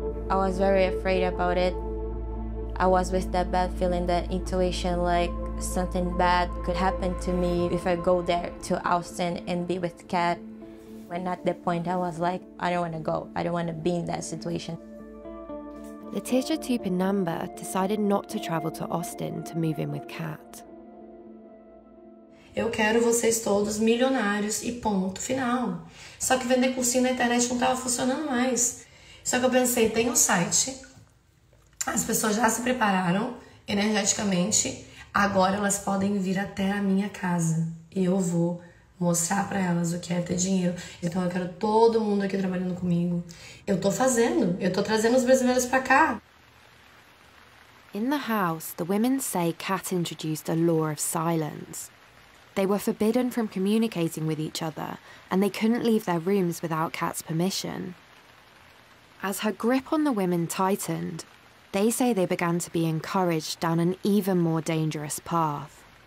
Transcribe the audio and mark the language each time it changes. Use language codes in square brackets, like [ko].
[en] I was very afraid about it. I was with that bad feeling, that intuition, like something bad could happen to me if I go there to Austin and be with Kat. When at that point I was like, I don't want to go. I don't want to be in that situation. Letitia Tupinamba decided not to travel to Austin to move in with Kat. [pt] Eu quero vocês todos milionários e ponto final. Só que vender cursinho na internet não estava funcionando mais. Só que eu pensei, tem um site, as pessoas já se prepararam energeticamente, agora elas podem vir até a minha casa e eu vou mostrar para elas o que é ter dinheiro. Então eu quero todo mundo aqui trabalhando comigo. Eu tô fazendo, eu tô trazendo os brasileiros para cá. [en] In the house, the women say Kat introduced a law of silence. They were forbidden from communicating with each other and they couldn't leave their rooms without Kat's permission. As her grip on the women tightened, they say they began to be encouraged down an even more dangerous path.